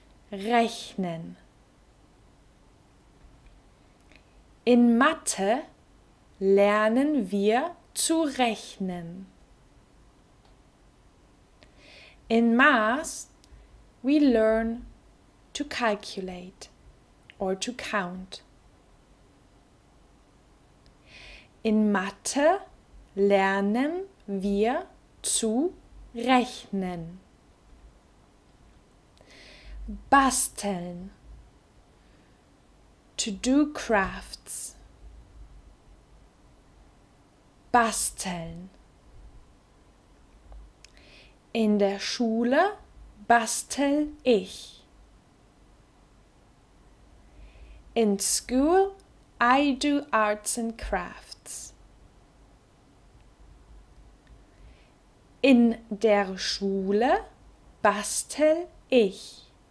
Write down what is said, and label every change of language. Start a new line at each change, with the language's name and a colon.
German: Rechnen. In Mathe lernen wir zu rechnen.
English: In Math we learn to calculate or to count.
German: In Mathe lernen wir zu rechnen. Basteln.
English: To do crafts.
German: Basteln. In der Schule bastel ich.
English: In school I do arts and crafts.
German: In der Schule bastel ich.